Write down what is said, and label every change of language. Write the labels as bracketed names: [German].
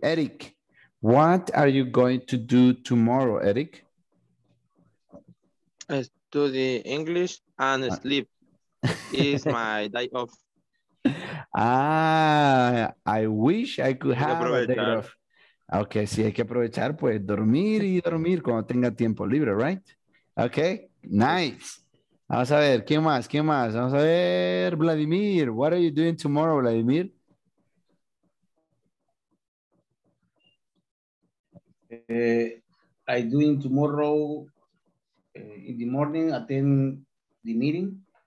[English] Eric, what are you going to do tomorrow, Eric? I study English and sleep. It's my day off. I wish I could have a day off. [Spanish] Okay, sí, hay que aprovechar, pues, dormir y dormir cuando tenga tiempo libre, right? Okay, nice. Vamos a ver, ¿quién más? ¿Quién más? Vamos a ver, [English] Vladimir, what are you doing tomorrow, Vladimir? I doing tomorrow in the morning, attend the meeting.